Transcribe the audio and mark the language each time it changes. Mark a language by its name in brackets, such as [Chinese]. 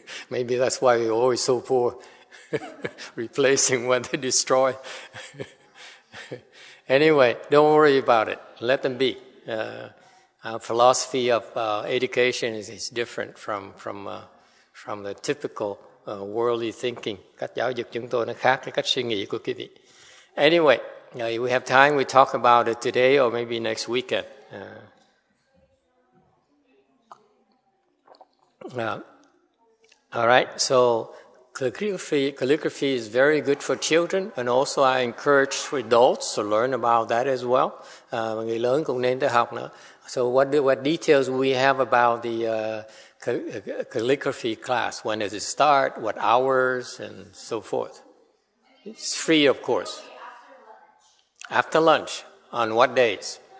[English] Maybe that's why we're always so poor, replacing what they destroy. Anyway, don't worry about it. Let them be. Our philosophy of education is different from the typical worldly thinking. [Vietnamese] Cách giáo dục chúng tôi nó khác với cách suy nghĩ của quý vị. [English] Anyway. Now, if we have time, we talk about it today or maybe next weekend. All right, so calligraphy is very good for children, and also I encourage adults to learn about that as well. [Vietnamese] Người lớn cũng nên tới học nữa. [English] So what details we have about the calligraphy class. When does it start? What hours? And so forth. It's free, of course. After lunch. On what dates?